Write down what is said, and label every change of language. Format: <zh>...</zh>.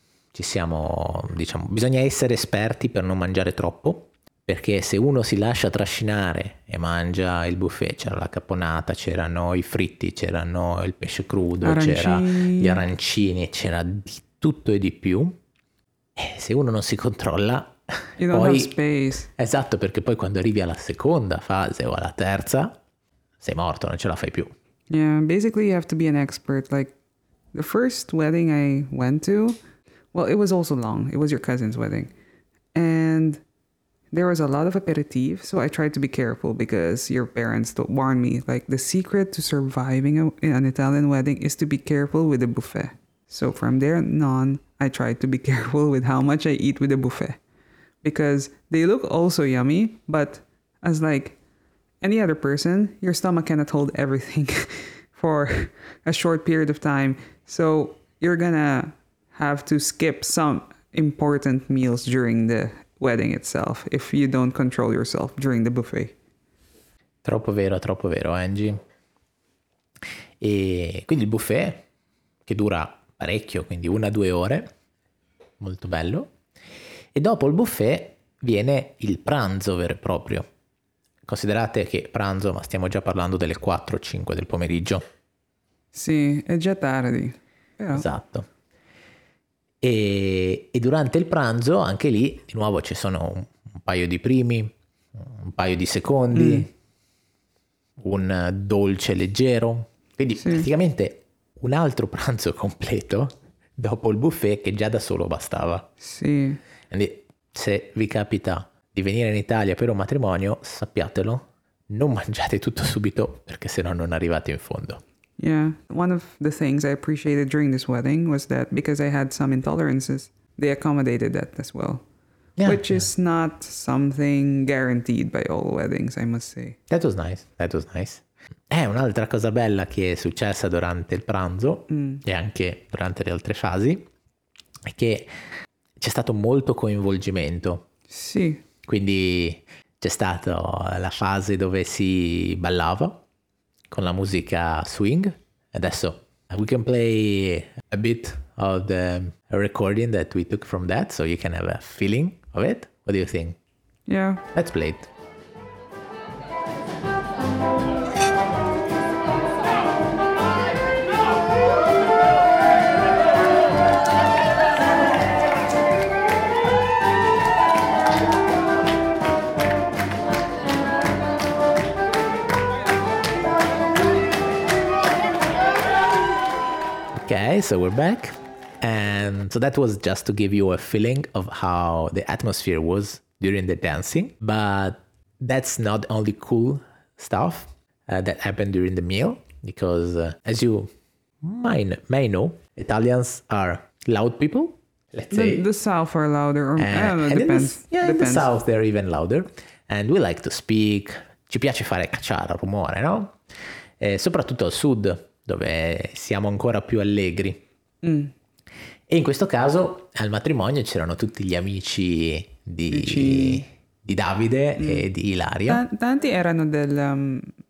<it>Ci siamo, diciamo, bisogna essere esperti per non mangiare troppo, perché se uno si lascia trascinare e mangia il buffet, c'era la caponata, c'erano i fritti, c'erano il pesce crudo, c'era gli arancini, c'era di tutto e di più. Se uno non si controlla,</it> <en>you don't have space.</en> <it>Esatto, perché poi quando arrivi alla seconda fase o alla terza, sei morto, non ce la fai più.</it> <en>Yeah, basically you have to be an expert. Like, the first wedding I went to, well, it was also long. It was your cousin's wedding. And there was a lot of aperitif, so I tried to be careful because your parents warned me. Like, the secret to surviving an Italian wedding is to be careful with the buffet. So from there on, I tried to be careful with how much I eat with the buffet. Because they look also yummy, but as like any other person, your stomach cannot hold everything for a short period of time. So you're gonna have to skip some important meals during the wedding itself if you don't control yourself during the buffet.</en> <it>Troppo vero, Angie. E quindi il buffet, che dura parecchio, quindi una o due ore, molto bello. E dopo il buffet viene il pranzo vero e proprio. Considerate che pranzo, ma stiamo già parlando delle 4 o 5 del pomeriggio. Sì, è già tardi. Però. Esatto. E durante il pranzo, anche lì, di nuovo ci sono un paio di primi, un paio di secondi, un dolce leggero. Quindi sì, praticamente un altro pranzo completo dopo il buffet che già da solo bastava. Sì. Quindi se vi capita di venire in Italia per un matrimonio, sappiatelo, non mangiate tutto subito perché sennò non arrivate in fondo.</it> <en>Yeah, one of the things I appreciated during this wedding was that because I had some intolerances, they accommodated that as well. Yeah, which is not something guaranteed by all weddings, I must say. That was nice, that was nice.</en> <it>Un'altra cosa bella che è successa durante il pranzo e anche durante le altre fasi è che c'è stato molto coinvolgimento. Sì. Quindi c'è stata la fase dove si ballava con la musica swing. Adesso</it> <en>we can play a bit of the recording that we took from that so you can have a feeling of it. What do you think? Yeah. Let's play it. So we're back, and so that was just to give you a feeling of how the atmosphere was during the dancing. But that's not only cool stuff that happened during the meal, because as you may know, Italians are loud people. Let's say the south are louder, or depends. In the south they're even louder, and we like to speak.</en> <it>Ci piace fare cacciara, rumore, no? Soprattutto al sud, dove siamo ancora più allegri. E in questo caso al matrimonio c'erano tutti gli amici di Davide e di Ilaria. Tanti erano del...</it>